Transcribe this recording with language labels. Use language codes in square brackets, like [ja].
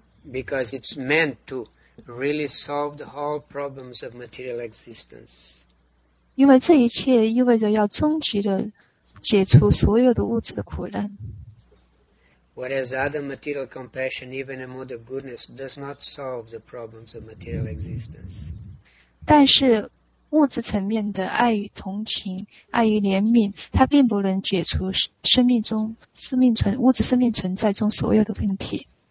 [en] because it's meant to really solve the whole problems of material existence [zh] 因为这一切意味着要终极的解除所有的物质的苦难 [en] whereas other material compassion even a mode of goodness does not solve the problems of material existence [zh] 但是物质层面的爱与同情爱与怜悯它并不能解除生命中生命存物质生命存在中所有的问题